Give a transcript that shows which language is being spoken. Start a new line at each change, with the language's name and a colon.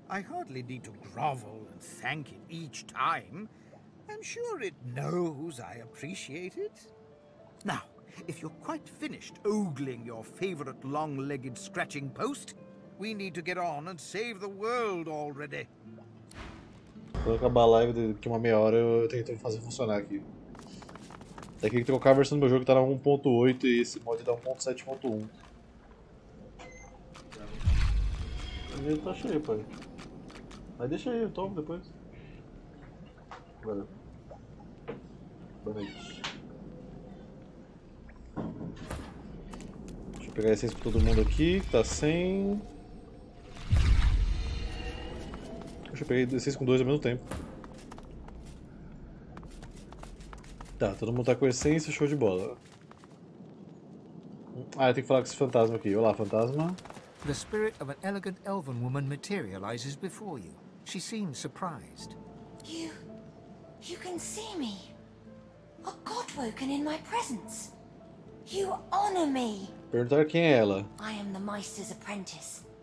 English: I hardly need to grovel and thank it each time. I'm sure it knows I appreciate it. Now, if you're quite finished ogling your favorite long-legged scratching post, we need to get on and save the world already.
Portuguese: Vou acabar a live daqui uma meia hora, eu tento fazer funcionar aqui. Até que tem que colocar a versão do meu jogo que tá na 1.8 e esse mod tá 1.7.1. Ele tá cheio, pai. Mas deixa aí, eu tomo depois. Valeu. Boa noite. Deixa eu pegar a essência pra todo mundo aqui, que tá sem. Deixa eu pegar a essência com dois ao mesmo tempo. Tá, todo mundo tá com essência, show de bola. Ah, eu tenho que falar com esse fantasma aqui. Olá, fantasma.
English: The spirit of an elegant elven woman materializes before you. She seems surprised. You can see me. A god woken in my presence. You honor me.
Portuguese: Perguntar quem é ela.
English: I am the Meister's apprentice.